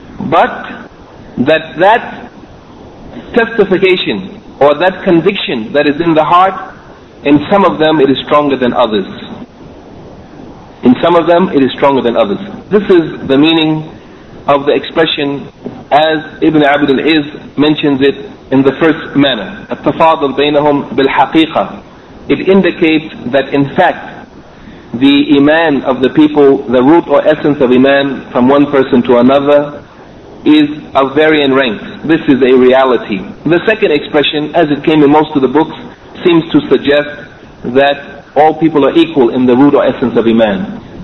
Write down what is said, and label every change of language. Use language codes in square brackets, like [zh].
[en] But that testification or that conviction that is in the heart, in some of them it is stronger than others. In some of them it is stronger than others. This is the meaning of the expression as Ibn Abd al-Izz mentions it in the first manner. [ar] التفاضل بينهم بالحقيقة. [en] It indicates that in fact the iman of the people, the root or essence of iman from one person to another, is of varying ranks. This is a reality. The second expression, as it came in most of the books, seems to suggest that all people are equal in the root or essence of iman.